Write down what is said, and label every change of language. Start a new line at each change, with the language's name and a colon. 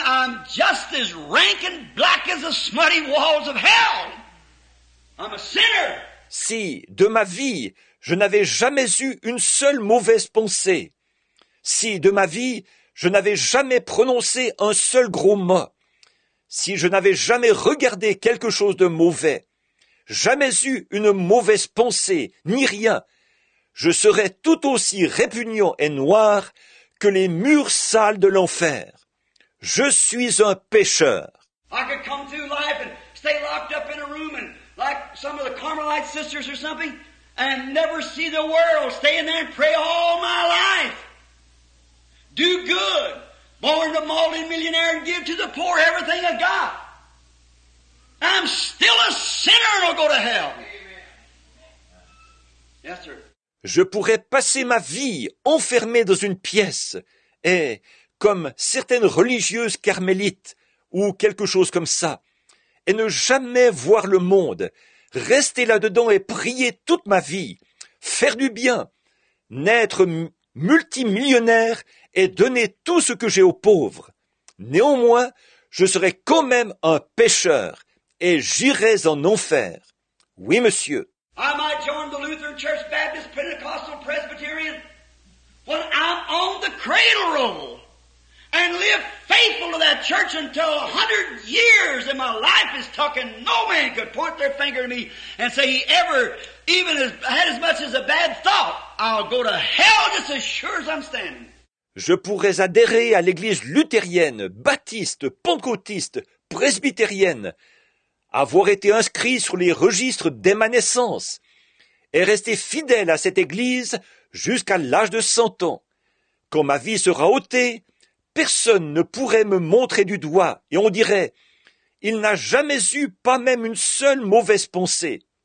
English: I'm just as rank and black as the smutty walls of hell. I'm a sinner.
French: Si, de ma vie, je n'avais jamais eu une seule mauvaise pensée. Si, de ma vie, je n'avais jamais prononcé un seul gros mot. Si je n'avais jamais regardé quelque chose de mauvais, jamais eu une mauvaise pensée, ni rien, je serais tout aussi répugnant et noir que les murs sales de l'enfer. Je suis un pécheur.
English: I could come through life and stay locked up in a room and like some of the Carmelite sisters or something and never see the world, stay in there and pray all my life. Do good. Born a multi-millionaire and give to the poor everything I got. I'm still a sinner and I'll go to hell. Amen. Yes, sir.
French: Je pourrais passer ma vie enfermée dans une pièce et, comme certaines religieuses carmélites ou quelque chose comme ça, et ne jamais voir le monde, rester là-dedans et prier toute ma vie, faire du bien, naître multimillionnaire et donner tout ce que j'ai aux pauvres. Néanmoins, je serai quand même un pécheur et j'irai en enfer. Oui, monsieur.
English: I might join the Lutheran Church, Baptist, Pentecostal, Presbyterian, but I'm on the cradle roll and live faithful to that church until 100 years and my life is tucking. No man could point their finger to me and say he ever even had as much as a bad thought. I'll go to hell just as sure as I'm standing.
French: Je pourrais adhérer à l'église luthérienne, baptiste, pentecôtiste, presbytérienne, avoir été inscrit sur les registres dès ma naissance et rester fidèle à cette église jusqu'à l'âge de 100 ans. Quand ma vie sera ôtée, personne ne pourrait me montrer du doigt et on dirait « Il n'a jamais eu pas même une seule mauvaise pensée.